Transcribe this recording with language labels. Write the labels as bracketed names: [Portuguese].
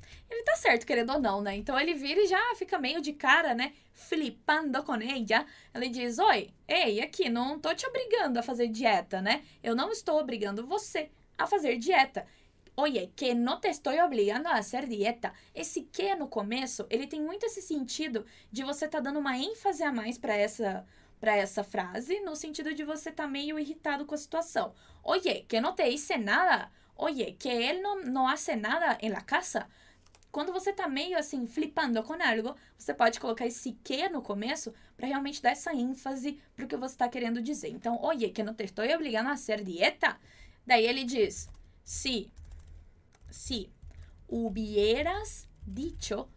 [Portuguese] Ele tá certo, querendo ou não, né? Então ele vira e já fica meio de cara, né? Flipando com ela. Ele diz, oi, ei, aqui, não tô te obrigando a fazer dieta, né? Eu não estou obrigando você a fazer dieta. [Spanish] Oye, que no te estoy obligando a hacer dieta. [Portuguese] Esse que no começo, ele tem muito esse sentido de você tá dando uma ênfase a mais pra essa frase, no sentido de você tá meio irritado com a situação. [Spanish] Oye, que no te hice nada. Oye, que él no hace nada en la casa. [Portuguese] Quando você tá meio assim, flipando com algo, você pode colocar esse que no começo pra realmente dar essa ênfase pro que você tá querendo dizer. Então, [Spanish] oye, que no te estoy obligando a hacer dieta? [Portuguese] Daí ele diz, [Spanish] si hubieras dicho...